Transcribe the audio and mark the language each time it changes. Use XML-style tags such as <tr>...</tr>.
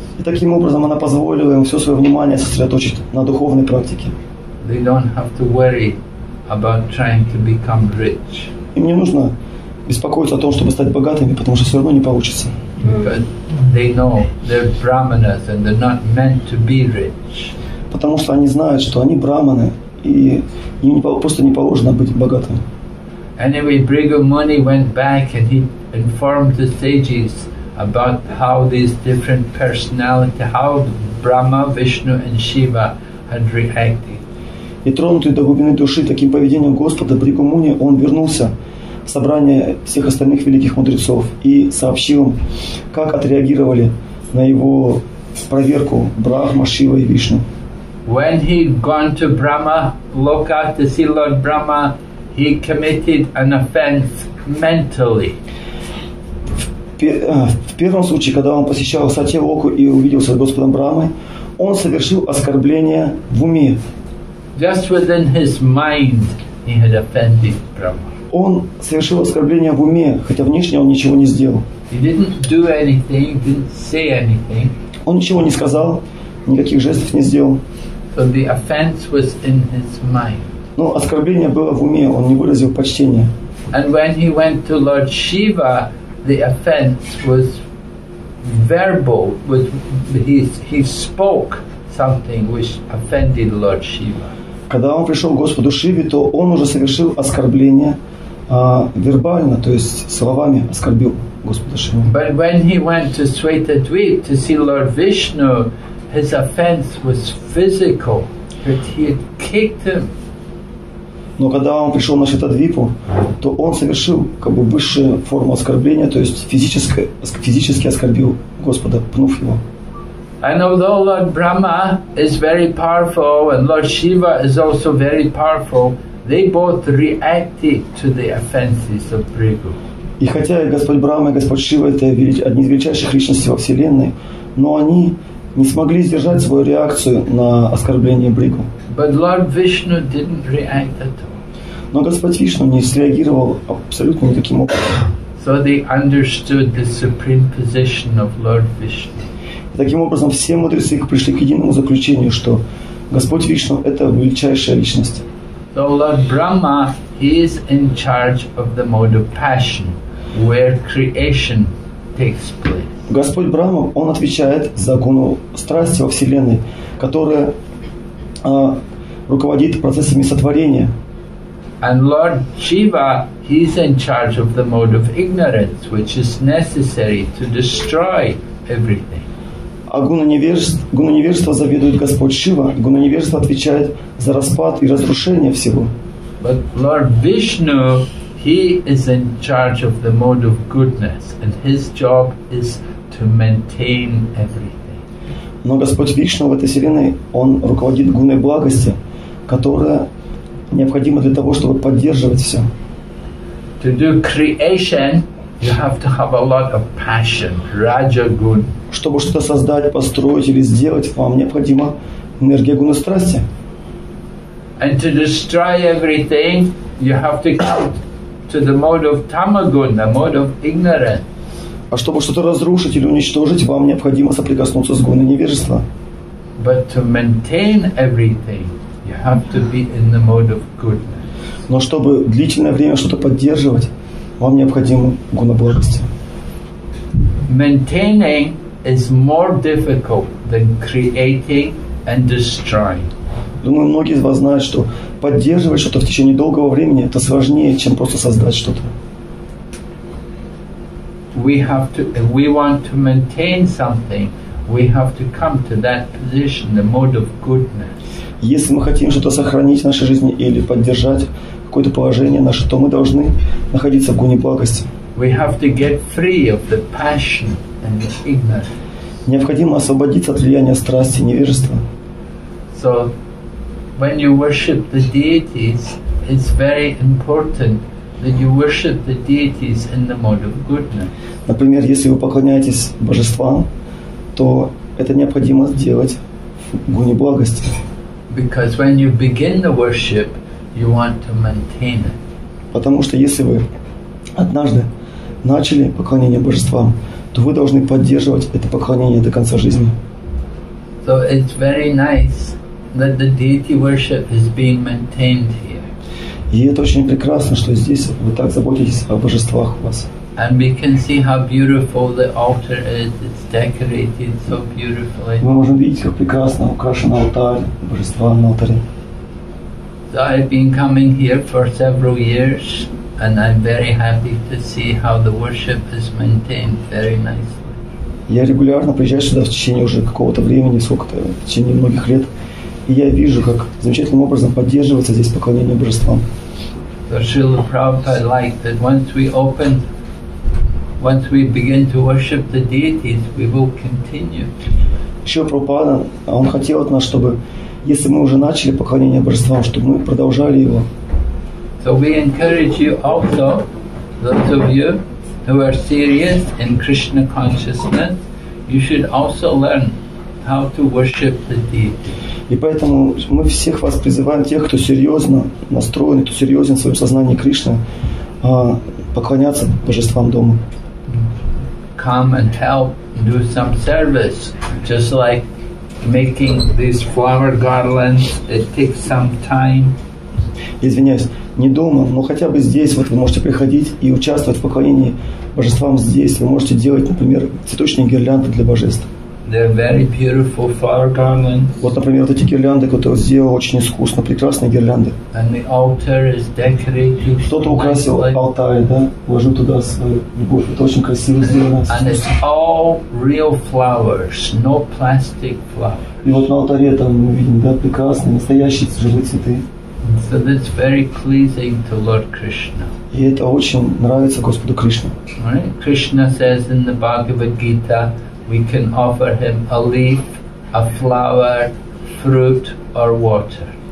<ru>И таким образом она позволила им все свое внимание сосредоточить на духовной практике.</ru> <en>They don't have to worry about trying to become rich.</en> <ru>Им не нужно беспокоиться о том, чтобы стать богатыми, потому что все равно не получится.</ru> <en>They know they're brahmanas and they're not meant to be rich.</en> <ru>Потому что они знают, что они брахманы и им просто не положено быть богатым.</ru> <en>Anyway, Bhrigu Muni went back and he informed the sages about how these different personality, how Brahma, Vishnu and Shiva had reacted.</en> <ru>И тронутый до глубины души таким поведением Господа Бригу Муни, он вернулся в собрание всех остальных великих мудрецов и сообщил им, как отреагировали на его проверку Брахма, Шива и Вишну.</ru> <en>When he gone to Brahma Loka to see Lord Brahma, he committed an offense mentally.</en> <ru>В первом случае, когда он посещал Сатья-Локу и увиделся с Господом Брахмой, он совершил оскорбление в уме.</ru> <en>Just within his mind he had offended Brahma.</en> <ru>Он совершил оскорбление в уме, хотя внешне он ничего не сделал.</ru> <en>He didn't do anything, didn't say anything.</en> <ru>Он ничего не сказал, никаких жестов не сделал.</ru> <en>So the offense was in his mind.</en> <ru>Но оскорбление было в уме, он не выразил почтения.</ru> <en>And when he went to Lord Shiva, the offense was verbal. He spoke something which offended Lord Shiva.</en> <ru>Когда он пришел к Господу Шиве, то он уже совершил оскорбление вербально, то есть словами оскорбил Господа Шиву.</ru> <en>But when he went to Svetadvip to see Lord Vishnu, his offense was physical, that he had kicked him.</en> <ru>Но когда он пришел на Шветадвипу, то он совершил как бы высшую форму оскорбления, то есть физически оскорбил Господа, пнув его.</ru> <en>And although Lord Brahma is very powerful and Lord Shiva is also very powerful, they both reacted to the offenses of Bhrigu.</en> <ru>И хотя Господь Брахма и Господь Шива это одни из величайших личностей во Вселенной, но они не смогли сдержать свою реакцию на оскорбление Бригу.</ru> <en>But Lord Vishnu didn't react at all.</en> <ru>Но Господь Вишну не среагировал абсолютно никаким образом.</ru> <en>So they understood the supreme position of Lord Vishnu.</en> <ru>Таким образом, все мудрецы пришли к единому заключению, что Господь Вишну – это величайшая личность.</ru> <en>So Lord Brahma is in charge of the mode of passion, where creation takes place.</en> <ru>Господь Брахма, он отвечает за гуну страсти во Вселенной, которая руководит процессами сотворения.</ru> <en>And Lord Shiva, he's in charge of the mode of ignorance, which is necessary to destroy everything.</en> <ru>А гуна невежества заведует Господь Шива. Гуна невежества отвечает за распад и разрушение всего.</ru> <en>But Lord Vishnu, he is in charge of the mode of goodness, and his job is to maintain everything.</en> <ru>Но Господь Вишну в этой вселенной, он руководит гуной благости, которая необходимо для того, чтобы поддерживать все.</ru> <en>To do creation, you have to have a lot of passion, rajagun.</en> <ru>Чтобы что-то создать, построить или сделать, вам необходима энергия гуны страсти.</ru> <en>And to destroy everything, you have to come to the mode of tamagun, the mode of ignorance.</en> <ru>А чтобы что-то разрушить или уничтожить, вам необходимо соприкоснуться с гуной невежества.</ru> <en>But to maintain everything, you have to be in the mode of goodness.</en> <ru>Но чтобы длительное время что-то поддерживать, вам необходимо гуна благости.</ru> <en>Maintaining is more difficult than creating and destroying.</en> <ru>Думаю, многие из вас знают, что поддерживать что-то в течение долгого времени это сложнее, чем просто создать что-то.</ru> <en>We want to maintain something, we have to come to that position, the mode of goodness.</en> <ru>Если мы хотим что-то сохранить в нашей жизни или поддержать какое-то положение наше, то мы должны находиться в гуне благости.</ru> <en>We have to get free of the passion and the ignorance.</en> <ru>Необходимо освободиться от влияния страсти и невежества.</ru> <en>So when you worship the deities, it's very important that you worship the deities in the mode of goodness.</en> <ru>Например, если вы поклоняетесь божествам, то это необходимо сделать в гуне благости.</ru> <en>Because when you begin the worship, you want to maintain it.</en> <ru>Потому что если вы однажды начали поклонение божествам, то вы должны поддерживать это поклонение до конца жизни.</ru> <en>So it's very nice that the deity worship is being maintained here.</en> <ru>И это очень прекрасно, что здесь вы так заботитесь о божествах у вас.</ru> <en>And we can see how beautiful the altar is. It's decorated so beautifully.</en> <ru>Мы можем видеть, как прекрасно украшен алтарь, божества на алтаре.</ru> <en>So I've been coming here for several years, and I'm very happy to see how the worship is maintained very nicely.</en> <ru>Я регулярно приезжаю сюда в течение уже какого-то времени, в течение многих лет. И я вижу, как замечательным образом поддерживается здесь поклонение божествам.</ru> <en>So Srila Prabhupada liked that once we begin to worship the deities, we will continue.</en> <ru>Srila Prabhupada, он хотел от нас, чтобы если мы уже начали поклонение божествам, чтобы мы продолжали его.</ru> <en>So we encourage you also, those of you who are serious in Krishna consciousness, you should also learn how to worship the deities.</en> <ru>И поэтому мы всех вас призываем, тех, кто серьезно настроен, кто серьезен в своем сознании Кришны, поклоняться божествам дома.</ru> <en>Come and help do some service, just like making these flower garlands. It takes some time.</en> <ru>Извиняюсь, не дома, но хотя бы здесь вот вы можете приходить и участвовать в поклонении божествам здесь. Вы можете делать, например, цветочные гирлянды для божеств.</ru> <en>They're very beautiful flower garlands.</en> <ru>Вот, например, вот эти гирлянды, которые сделал очень искусно, прекрасные гирлянды.</ru> <en>And the altar is decorated.</en> <ru>Кто-то украсил алтарь, да? Вложил туда свою любовь. Это очень красиво сделано.</ru> <en>And it's all real flowers, no plastic flowers.</en> <ru>И вот на алтаре там мы видим, да, прекрасные, настоящие живые цветы.</ru> <en>So that's very pleasing to Lord Krishna.</en> <ru>И это очень нравится Господу Кришне.</ru> <en>Right? Krishna says in the Bhagavad Gita, we can offer him a leaf, a flower, fruit, or water.</en>